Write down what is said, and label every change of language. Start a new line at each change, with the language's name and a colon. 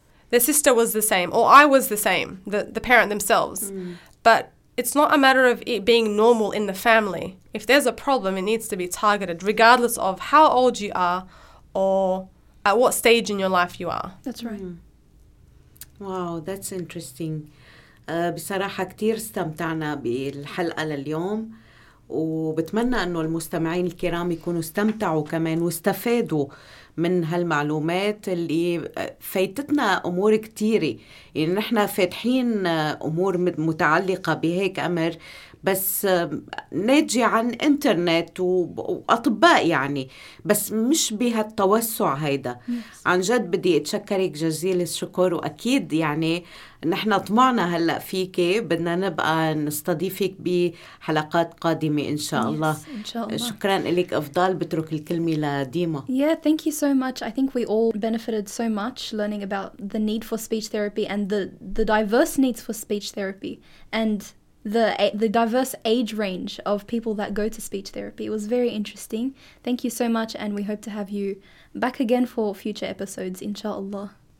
English: Their sister was the same or I was the same, the parent themselves. But it's not a matter of it being normal in the family. If there's a problem, it needs to be targeted, regardless of how old you are or at what stage in your life you are. That's right. Wow, that's interesting.
Arabic: بصراحة كتير استمتعنا بالحلقة لليوم وبتمنى أنه المستمعين الكرام يكونوا استمتعوا كمان واستفادوا من هالمعلومات اللي فايتتنا أمور كتيرة يعني نحن فاتحين أمور متعلقة بهيك أمر بس ناجي عن إنترنت وأطباء يعني بس مش بهالتوسع هيدا عن جد بدي أتشكرك جزيل الشكر وأكيد يعني نحن طمعنا هلأ فيك بدنا نبقى نستضيفك بحلقات قادمة إن شاء الله شكرا لك أفضل بترك الكلمة لديما
English: Yeah, thank you so much. I think we all benefited so much learning about the need for speech therapy and the diverse needs for speech therapy and the diverse age range of people that go to speech therapy. It was very interesting. Thank you so much and we hope to have you back again for future episodes, inshallah.